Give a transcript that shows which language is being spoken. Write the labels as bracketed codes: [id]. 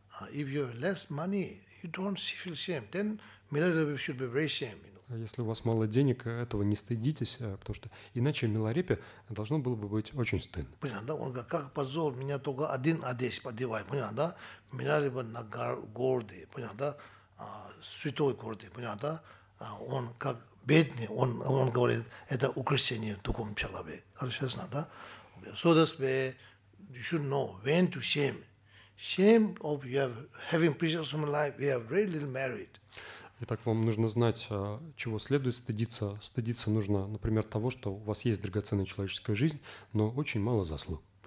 [ru] Если у вас мало денег, этого не стыдитесь, потому что иначе милорепе должно было бы быть очень стыдно. Понятно, да? Он говорит, как позор, меня только один одесь подевает, понятно, да? Милорепа на городе, понятно, да? Святой городе, понятно, да? Он как бедный, он говорит, это украшение духовного человека. Хорошо, ясно, да? Okay. [en] So that's where you should know when to shame. Shame of you have, having precious human life, we have very little merit. [ru] Итак, вам нужно знать, чего следует стыдиться. Стыдиться нужно, например, того, что у вас есть драгоценная человеческая жизнь, но очень мало заслуг.